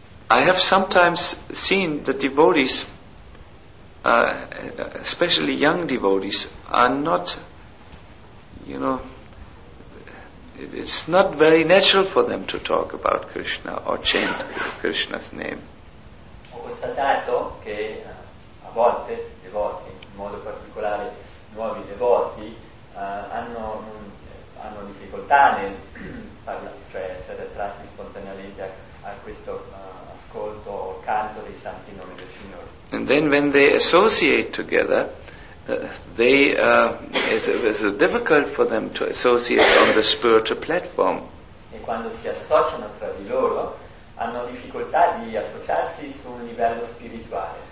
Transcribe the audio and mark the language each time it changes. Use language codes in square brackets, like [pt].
[en] I have sometimes seen the devotees, especially young devotees, are not, you know, it's not very natural for them to talk about Krishna or chant Krishna's name. [it] Ho constatato che a volte devoti, in modo particolare nuovi devoti, hanno difficoltà nel parlare, cioè essere attratti spontaneamente a questo ascolto o canto dei santi nomi del Signore. [en] And then when they associate together, it's difficult for them to associate on the spiritual platform. [it] E quando si associano tra di loro, hanno difficoltà di associarsi su un livello spirituale.